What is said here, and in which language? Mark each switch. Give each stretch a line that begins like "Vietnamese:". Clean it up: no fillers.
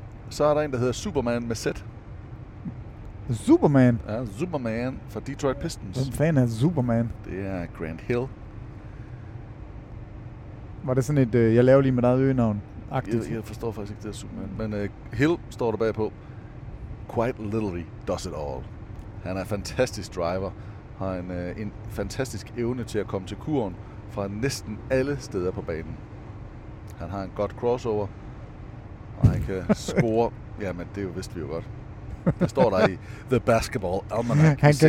Danish: Så er der en, der hedder Superman med set. Superman? Ja, Superman fra Detroit Pistons. Hvem fanden er Superman? Det er Grant Hill. Var det sådan et, jeg laver lige med dig øgenavn? Jeg forstår faktisk ikke, det er Superman. Men Hill står der bagpå.
English: Quite literally does it all.
Danish: Han er en fantastisk driver. Har en fantastisk evne til at komme til kurven fra næsten alle steder på banen. Han har en godt crossover, og han kan score. Jamen, det vidste vi jo godt. Der står der i The Basketball Almanac.